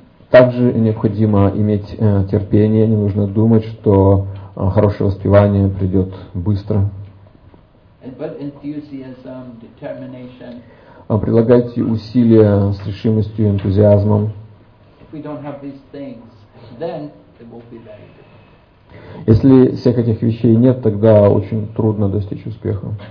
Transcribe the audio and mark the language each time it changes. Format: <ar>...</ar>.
<ru>Также необходимо иметь терпение, не нужно думать, что хорошее воспевание придет быстро.</ru> <en>But enthusiasm, determination.</en> <ru>Прилагайте усилия с решимостью и энтузиазмом.</ru> <en>If we don't have these things, then it will be very difficult.</en> <ru>Если всех этих вещей нет, тогда очень трудно достичь успеха.</ru>